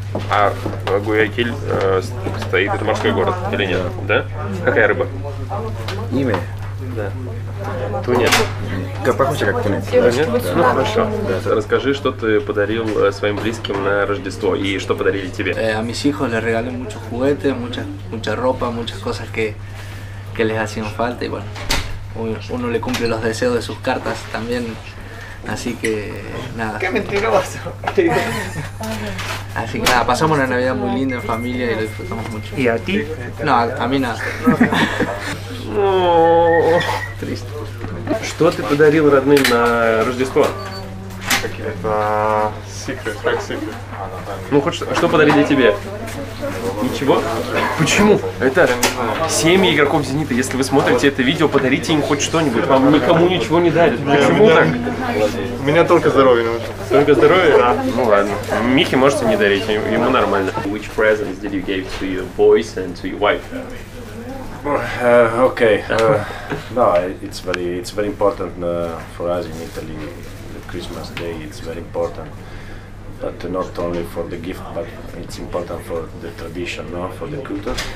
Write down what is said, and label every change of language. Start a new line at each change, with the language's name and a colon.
Russian: А Гуайакил стоит, это морской город или нет? Да. Какая рыба? Имя? Да. Тунец? Похоже, как тунец. Тунец? Ну хорошо. Расскажи, что ты подарил своим близким на Рождество и что подарили тебе?
Spanish: А mis hijos les regalé muchos juguetes, mucha ropa, muchas cosas que les hacían falta y bueno, uno le cumple los deseos de sus cartas también, así que nada. ¡Qué mentiroso! Así que nada, pasamos una Navidad muy linda en familia y lo disfrutamos mucho. ¿Y a ti? No, a mí nada. No. Triste. ¿Qué te
Russian: подарил родным на Рождество? Какие-то секреты, как секреты. Ну хоть что подарили тебе? Ничего? Почему? Это семьи игроков «Зенита». Если вы смотрите это видео, подарите им хоть что-нибудь. Вам никому ничего не дарят. Почему так? У меня только здоровье нужно. Только здоровье? Да. Ну ладно. Михе можете не дарить, ему нормально.
English: Which presents did you give to your boys and to your wife? Okay. No, it's very important for us in Italy. Christmas Day, it's very important, but not only for the gift, but it's important for the tradition, no? For the culture.